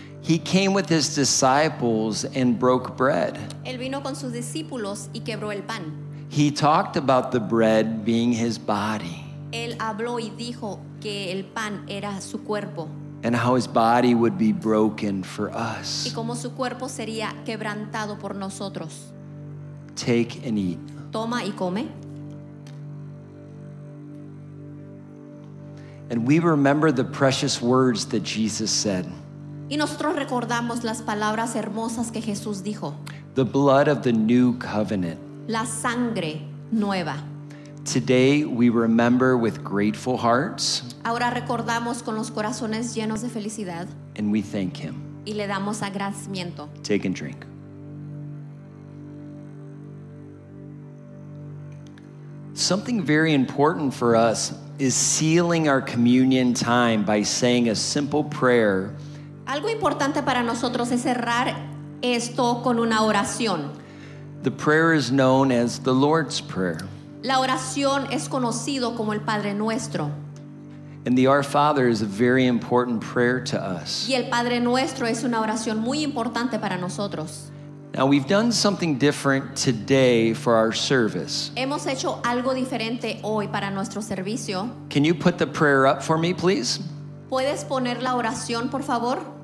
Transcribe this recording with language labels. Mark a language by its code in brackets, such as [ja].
[en] He came with his disciples and broke bread. [es] Él vino con sus discípulos y quebró el pan. [en] He talked about the bread being his body. [es] Él habló y dijo que el pan era su cuerpo. [en] And how his body would be broken for us. [es] Y como su cuerpo sería quebrantado por nosotros. [en] Take and eat. [es] Toma y come. [en] And we remember the precious words that Jesus said. [es] Y nosotros recordamos las palabras hermosas que Jesús dijo. [en] The blood of the new covenant. [es] La sangre nueva. [en] Today we remember with grateful hearts. [es] Ahora recordamos con los corazones llenos de felicidad. [en] And we thank him. [es] Y le damos agradecimiento. [en] Take and drink. Something very important for us is sealing our communion time by saying a simple prayer. [es] Algo importante para nosotros es cerrar esto con una oración. [en] The prayer is known as the Lord's Prayer. [es] La oración es conocido como el Padre Nuestro. [en] And the Our Father is a very important prayer to us. [es] Y el Padre Nuestro es una oración muy importante para nosotros. [en] Now we've done something different today for our service. [es] Hemos hecho algo diferente hoy para nuestro servicio. [en] Can you put the prayer up for me, please? [es] ¿Puedes poner la oración, por favor?